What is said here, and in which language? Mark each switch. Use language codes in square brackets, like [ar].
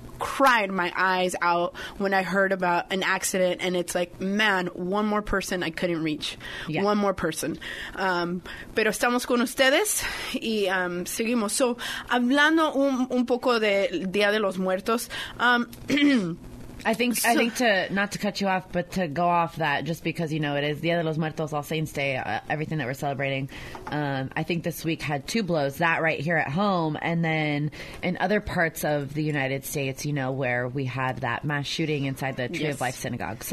[en] cried my eyes out when I heard about an accident. And it's like, man, one more person I couldn't reach. Yeah. One more person. [es] Pero estamos con ustedes y seguimos. So, hablando un poco de Día de los Muertos. [en] I think to, not to cut you off, but to go off that, just because, you know, it is Día de los Muertos, All Saints Day, everything that we're celebrating. I think this week had two blows, that right here at home, and then in other parts of the United States, you know, where we had that mass shooting inside the Tree of Life Synagogue.